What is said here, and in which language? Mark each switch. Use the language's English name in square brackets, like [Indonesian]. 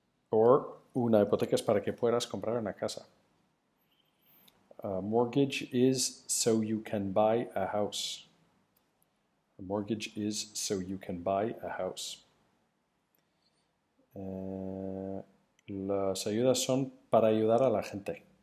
[Spanish] Or una hipoteca es para que puedas comprar una casa. [English] A mortgage is so you can buy a house. A mortgage is so you can buy a house. [Spanish] Las ayudas son para ayudar a la gente.